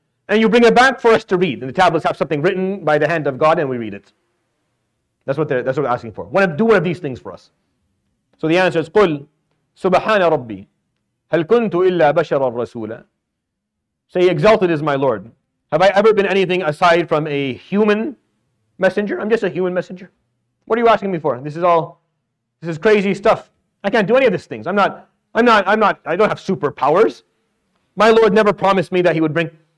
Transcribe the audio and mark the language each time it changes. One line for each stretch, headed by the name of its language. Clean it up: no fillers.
English: And you bring it back for us to read. And the tablets have something written by the hand of God, and we read it. That's what they're asking for. Do one of these things for us. So the answer is,
Arabic: قُلْ سُبْحَانَ رَبِّي هَلْ كُنْتُ إِلَّا بَشَرًا رَسُولًا.
English: Say, exalted is my Lord. Have I ever been anything aside from a human messenger? I'm just a human messenger. What are you asking me for? This is crazy stuff. I can't do any of these things. I'm not, I don't have superpowers. My Lord never promised me that he would bring.